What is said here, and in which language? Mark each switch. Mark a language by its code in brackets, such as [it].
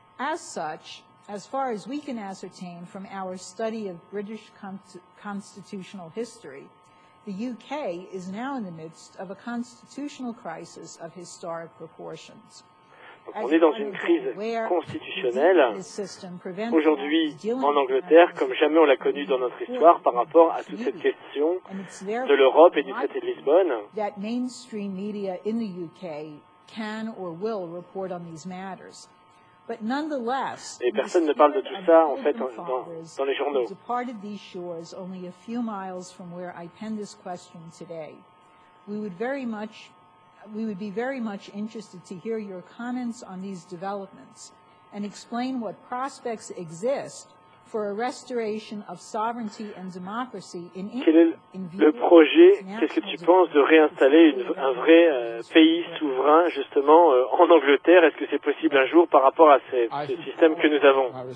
[en] As far as we can ascertain from our study of British constitutional history, the UK is now in the midst of a constitutional crisis of historic proportions. [fr] Donc on est dans une crise constitutionnelle aujourd'hui en Angleterre, comme jamais on l'a connue dans notre histoire, par rapport à toute cette question de l'Europe et du traité de Lisbonne. [en] That mainstream media in the UK can or will report on these matters. But nonetheless, [fr] et personne ne parle de tout ça, en fait, dans les journaux. [en] Departed these shores only a few miles from where I pen this question today. We would be very much interested to hear your comments on these developments and explain what prospects exist for a restoration of sovereignty and democracy in England. [fr] Quel est le projet, qu'est-ce que tu penses de réinstaller un vrai pays souverain, justement, en Angleterre? Est-ce que c'est possible un jour par rapport à ce système que nous avons?